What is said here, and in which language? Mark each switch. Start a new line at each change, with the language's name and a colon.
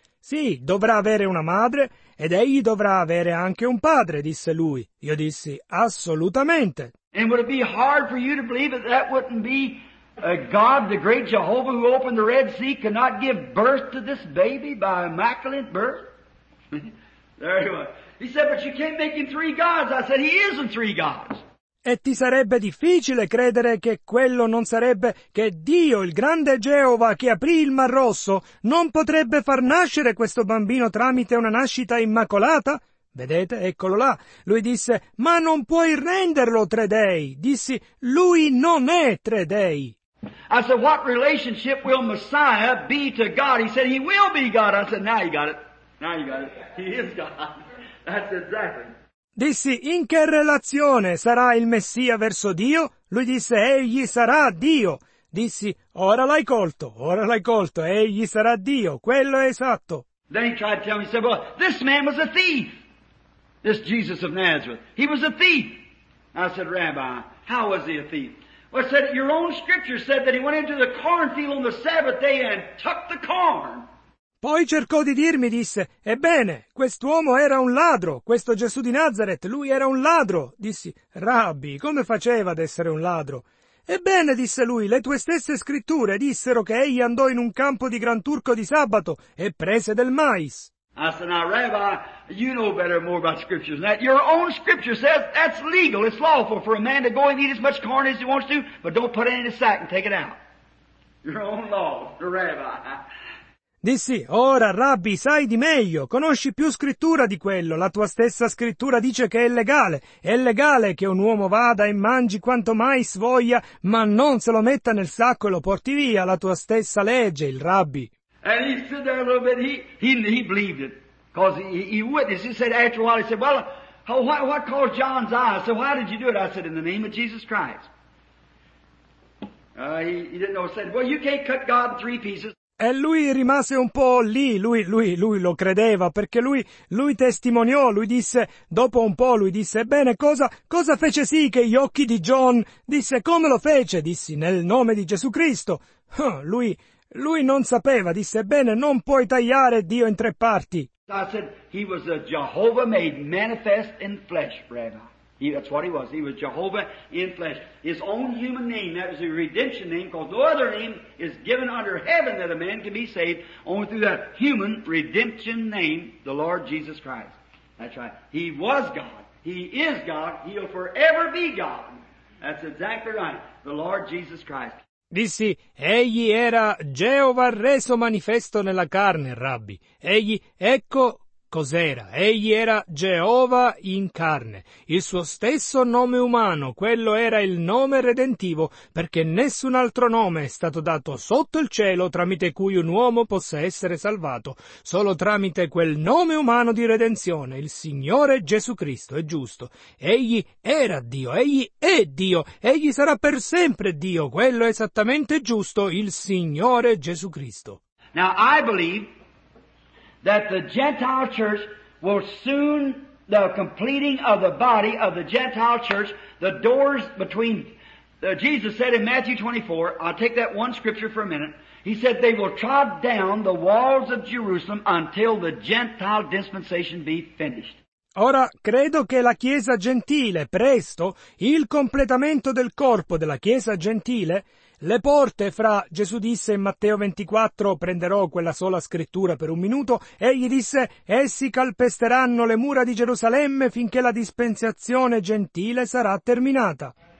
Italian: Sì, dovrà avere una madre, ed egli dovrà avere anche un padre, disse lui. Io dissi, assolutamente.
English: And would it be hard for you to believe that that wouldn't be a God, the great Jehovah who opened the Red Sea, could not give birth to this baby by immaculate birth? There he was. He said, but you can't make him three gods. I said, he isn't three gods.
Italian: E ti sarebbe difficile credere che quello non sarebbe che Dio, il grande Geova che aprì il Mar Rosso, non potrebbe far nascere questo bambino tramite una nascita immacolata? Vedete, eccolo là. Lui disse, ma non puoi renderlo tre dei. Dissi, lui non è tre dei.
English: I said, what relationship will Messiah be to God? He said, he will be God. I said, now you got it. Now you got it. He is God. That's exactly.
Italian: Dissi, in che relazione sarà il Messia verso Dio? Lui disse, egli sarà Dio. Dissi, ora l'hai colto, egli sarà Dio, quello è esatto.
English: Then he tried to tell me, he said, well, this man was a thief. This Jesus of Nazareth, he was a thief. I said, Rabbi, how was he a thief? Well, I said, your own scripture said that he went into the cornfield on the Sabbath day and took the corn.
Italian: Poi cercò di dirmi, disse, ebbene, quest'uomo era un ladro, questo Gesù di Nazareth, lui era un ladro. Dissi, Rabbi, come faceva ad essere un ladro? Ebbene, disse lui, le tue stesse scritture dissero che egli andò in un campo di gran turco di sabato e prese del mais.
English: I said, now, Rabbi, you know better and more about scriptures than that. Your own scripture says that's legal, it's lawful for a man to go and eat as much corn as he wants to, but don't put it in a sack and take it out. Your own law, the Rabbi.
Italian: Dissi, ora, Rabbi, sai di meglio, conosci più scrittura di quello, la tua stessa scrittura dice che è legale che un uomo vada e mangi quanto mai svoglia, ma non se lo metta nel sacco e lo porti via, la tua stessa legge, il Rabbi.
English: And he stood there a little bit, he believed it, because he witnessed, he said after a while, he said, well, what caused John's eyes? I said, why did you do it? I said, in the name of Jesus Christ. He didn't know, he said, well, you can't cut God in three pieces.
Italian: E lui rimase un po' lì, lui lo credeva, perché lui testimoniò, lui disse, dopo un po' lui disse, bene, cosa fece sì che gli occhi di John, disse, come lo fece? Dissi, nel nome di Gesù Cristo. Lui non sapeva, disse, bene, non puoi tagliare Dio in tre parti.
English: I said, he was a Jehovah made manifest in flesh, Rabbi. That's what he was Jehovah in flesh. His own human name, that was a redemption name, because no other name is given under heaven that a man can be saved, only through that human redemption name, the Lord Jesus Christ. That's right. He was God. He is God. He'll forever be God. That's exactly right. The Lord Jesus Christ.
Italian: Dissi, egli era Geova reso manifesto nella carne, Rabbi. Egli, ecco cos'era. Egli era Geova in carne, il suo stesso nome umano, quello era il nome redentivo, perché nessun altro nome è stato dato sotto il cielo tramite cui un uomo possa essere salvato, solo tramite quel nome umano di redenzione, il Signore Gesù Cristo, è giusto. Egli era Dio, egli è Dio, egli sarà per sempre Dio, quello è esattamente giusto, il Signore Gesù Cristo.
English: Now I believe that the Gentile church will soon, the completing of the body of the Gentile church, the doors between, Jesus said in Matthew 24, I'll take that one scripture for a minute, he said they will trod down the walls of Jerusalem until the Gentile dispensation be finished.
Italian: Ora, credo che la Chiesa Gentile, presto, il completamento del corpo della Chiesa Gentile, le porte fra, Gesù disse in Matteo 24, prenderò quella sola scrittura per un minuto, egli disse, essi calpesteranno le mura di Gerusalemme finché la dispensazione gentile sarà terminata.